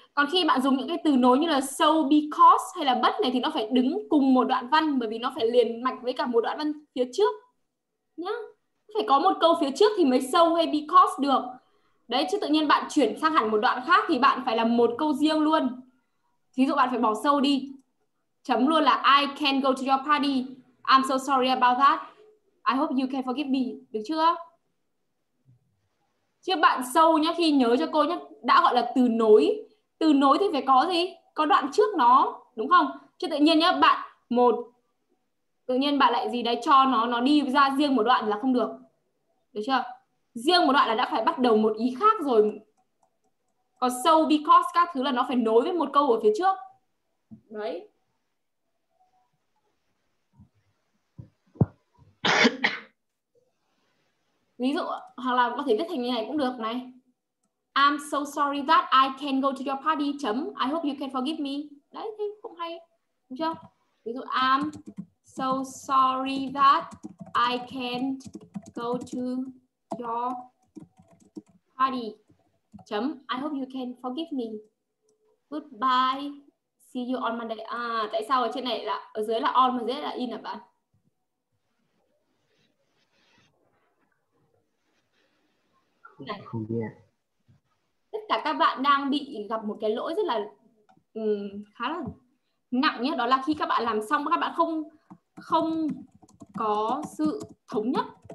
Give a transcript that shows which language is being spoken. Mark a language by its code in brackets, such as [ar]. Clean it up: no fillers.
[vi] Còn khi bạn dùng những cái từ nối như là so, because hay là but này thì nó phải đứng cùng một đoạn văn bởi vì nó phải liền mạch với cả một đoạn văn phía trước. Nhá. Phải có một câu phía trước thì mới so hay because được. Đấy, chứ tự nhiên bạn chuyển sang hẳn một đoạn khác thì bạn phải làm một câu riêng luôn. Thí dụ bạn phải bỏ so đi. Chấm luôn là [en] I can't go to your party. I'm so sorry about that. I hope you can forgive me. [vi] Được chưa? Chứ bạn sâu nhá, khi nhớ cho cô nhá, đã gọi là từ nối. Từ nối thì phải có gì? Có đoạn trước nó, đúng không? Chứ tự nhiên nhá, bạn một tự nhiên bạn lại gì đấy cho nó đi ra riêng một đoạn là không được. Được chưa? Riêng một đoạn là đã phải bắt đầu một ý khác rồi. Còn so because các thứ là nó phải nối với một câu ở phía trước. Đấy. Ví dụ hoặc là có thể viết thành như này cũng được này. [en] I'm so sorry that I can't go to your party. [vi] Chấm. [en] I hope you can forgive me. [vi] Đấy thì cũng hay. Đúng chưa? Ví dụ [en] I'm so sorry that I can't go to your party. [vi] Chấm. [en] I hope you can forgive me. Goodbye. See you on Monday. [vi] À, tại sao ở trên này là ở dưới là on mà dưới là in hả bạn? Này. Không biết. Tất cả các bạn đang bị gặp một cái lỗi rất là khá là nặng nhé. Đó là khi các bạn làm xong các bạn không có sự thống nhất.